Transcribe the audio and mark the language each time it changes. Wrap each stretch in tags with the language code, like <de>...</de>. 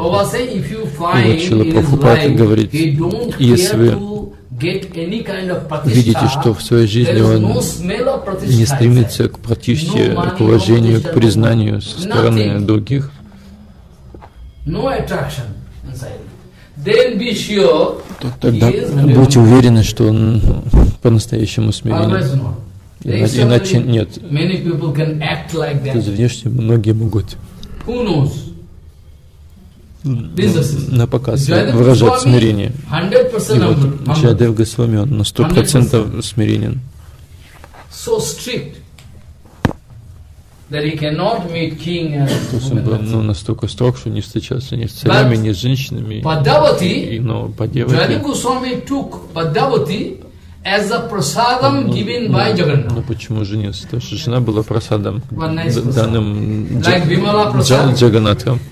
<ru>И вот Шрила Прабхупад говорит, если вы видите, что в своей жизни он не стремится к пратиште, к уважению, к признанию со стороны других, то тогда будьте уверены, что он по-настоящему смирен. Иначе нет. То есть внешне многие могут на показ выражать смирение. И вот Джайдев Госвами, он на 100% смиренен.</ru> <en>So strict that he cannot meet king and</en> <ru>То есть он был настолько строг, что не встречался ни с царями, ни с женщинами. Но</ru> <en>Падавати, Джайдев Госвами took Падавати as a prasadam given by Jagannath.</en> <ru>Но почему женился? Потому что жена была прасадом, данным Джаганатхом.</ru>